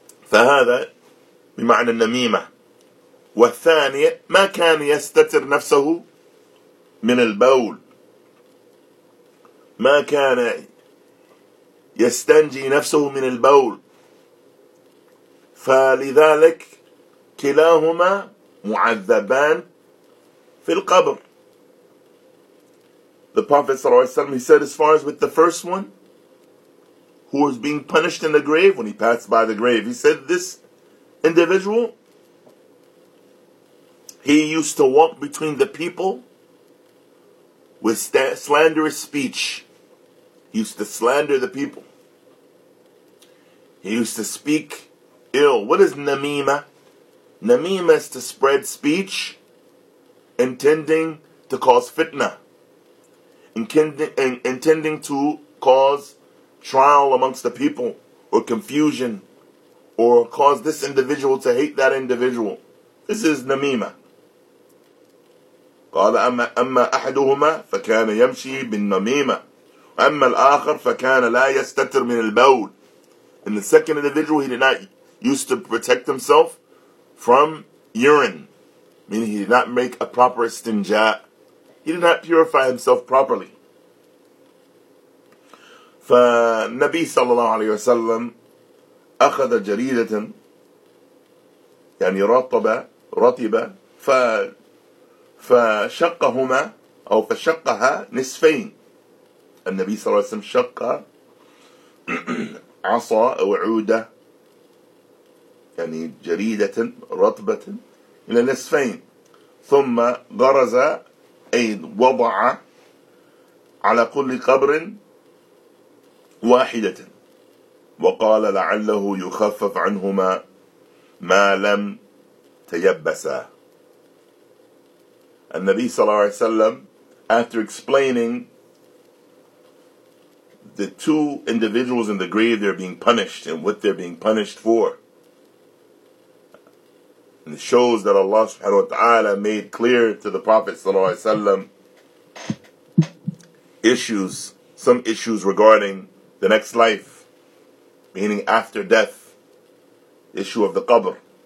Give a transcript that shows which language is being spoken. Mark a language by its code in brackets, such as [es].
[ar] فهذا بمعنى النميمة. والثانية ما كان يستتر نفسه من البول ما كان يستنجي نفسه من البول فلذلك كلاهما معذبان في القبر. [en] The Prophet صلى الله عليه وسلم, he said as far as with the first one who was being punished in the grave, when he passed by the grave, he said, this individual, he used to walk between the people with slanderous speech. He used to slander the people. He used to speak ill. What is namima? Namima is to spread speech intending to cause fitna, intending to cause trial amongst the people, or confusion, or cause this individual to hate that individual. This is namima. [ar] قال أما أحدهما فكان يمشي بالنميمة وأما الآخر فكان لا يستتر من البول. [en] And the second individual, he did not use to protect himself from urine, meaning he did not make a proper istinja. He did not purify himself properly. [ar] فالنبي صلى الله عليه وسلم أخذ جريدة يعني رطب فشقهما أو فشقها نصفين. النبي صلى الله عليه وسلم شق عصا أو عودة يعني جريدة رطبة إلى نصفين ثم غرز أي وضع على كل قبر واحدة وقال لعله يخفف عنهما ما لم تيبسا. [en] النبي صلى الله عليه وسلم, after explaining the two individuals in the grave they're being punished and what they're being punished for, and it shows that Allah subhanahu wa ta'ala made clear to the Prophet صلى الله عليه وسلم some issues regarding the next life, meaning after death, issue of the qabr.